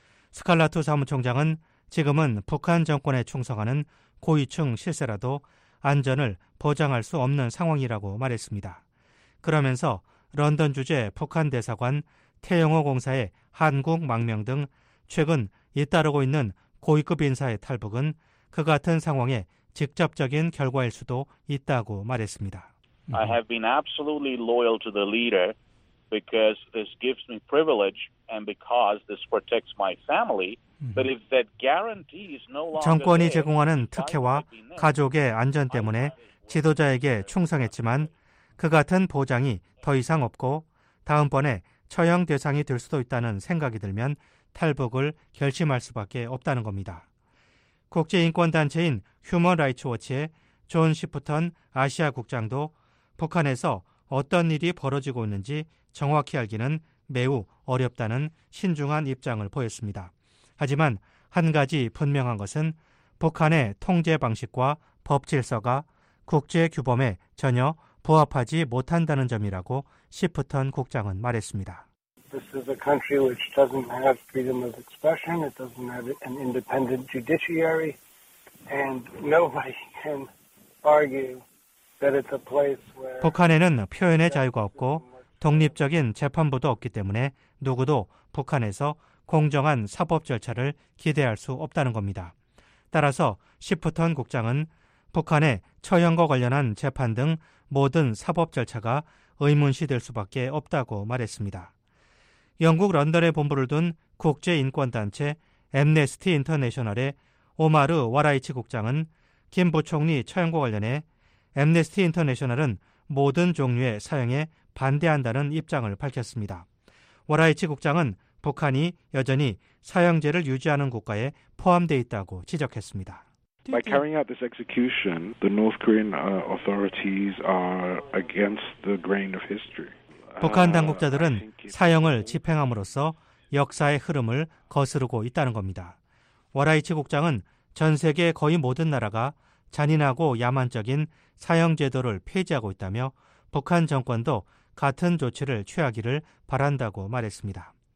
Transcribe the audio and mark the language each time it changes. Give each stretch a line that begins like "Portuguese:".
Korean: 스칼라투 사무총장은 지금은 북한 정권에 충성하는 고위층 실세라도 안전을 보장할 수 없는 상황이라고 말했습니다. 그러면서 런던 주재 북한 대사관 태영호 공사의 한국 망명 등 최근 잇따르고 있는 고위급 인사의 탈북은 그 같은 상황에 직접적인 결과일 수도 있다고 말했습니다.
English: I have been absolutely loyal to the leader because this gives me privilege and because this protects my family. But if that guarantee is no longer
Korean: 정권이 제공하는 특혜와 가족의 안전 때문에 지도자에게 충성했지만 그 같은 보장이 더 이상 없고 다음번에 처형 대상이 될 수도 있다는 생각이 들면 탈북을 결심할 수밖에 없다는 겁니다. 국제인권단체인 휴먼 라이츠 워치의 존 시프턴 아시아 국장도 북한에서 어떤 일이 벌어지고 있는지 정확히 알기는 매우 어렵다는 신중한 입장을 보였습니다. 하지만 한 가지 분명한 것은 북한의 통제 방식과 법 질서가 국제 규범에 전혀 부합하지 못한다는 점이라고 시프턴 국장은 말했습니다.
English: This is a country which doesn't have freedom of expression. It doesn't have an independent judiciary, and nobody can argue that it's a place where
Korean: 북한에는 표현의 자유가 없고 독립적인 재판부도 없기 때문에 누구도 북한에서 공정한 사법 절차를 기대할 수 없다는 겁니다. 따라서 시프턴 국장은 북한의 처형과 관련한 재판 등 모든 사법 절차가 의문시될 수밖에 없다고 말했습니다. 영국 런던에 본부를 둔 국제인권단체 앰네스티 인터내셔널의 오마르 와라이치 국장은 김 부총리 처형과 관련해 앰네스티 인터내셔널은 모든 종류의 사형에 반대한다는 입장을 밝혔습니다. 와라이치 국장은 북한이 여전히 사형제를 유지하는 국가에 포함되어 있다고 지적했습니다.
English: By carrying out this execution, the North Korean authorities are against the grain of history.
Korean: 북한 당국자들은 사형을 집행함으로써 역사의 흐름을 거스르고 있다는 겁니다. 와라이치 국장은 전 세계 거의 모든 나라가 잔인하고 야만적인 사형 제도를 폐지하고 있다며 북한 정권도 같은 조치를 취하기를 바란다고 말했습니다.